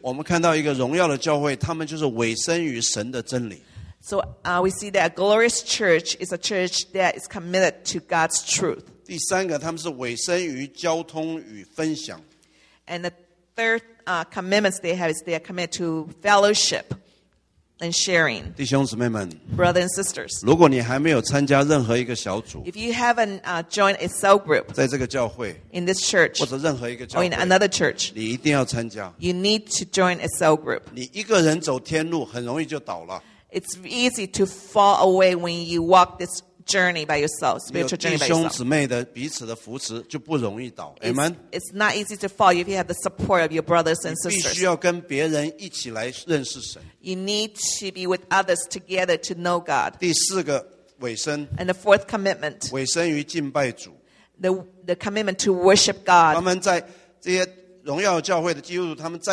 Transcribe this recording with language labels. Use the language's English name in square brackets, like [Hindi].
[Chinese] 我们看到一个荣耀的教会,他们就是委身于神的真理。 [English] So we see that a glorious church is a church that is committed to God's truth. [Chinese] 第三个,他们是委身于交通与分享。 [English] And the third commitments they have is they are committed to fellowship and sharing. [Chinese] 弟兄姊妹们, [English] brothers and sisters, [Chinese] 如果你还没有参加任何一个小组, [English] if you haven't joined a cell group [Chinese] 在这个教会, [English] in this church [Chinese] 或者任何一个教会, [English] or in another church, [Chinese] 你一定要参加, [English] you need to join a cell group. [Chinese] 你一个人走天路, 很容易就倒了。 [English] It's easy to fall away when you walk this journey by yourself, spiritual journey by yourself. [Chinese] 彼此的扶持就不容易倒, [English] it's not easy to fall if you have the support of your brothers and sisters. [Chinese] 必须要跟别人一起来认识神。 [English] You need to be with others together to know God. [Chinese] 第四个委身, [English] and the fourth commitment, [Chinese] 委身于敬拜主, [English] the commitment to worship God. [Chinese] 他们在这些荣耀教会的基督徒,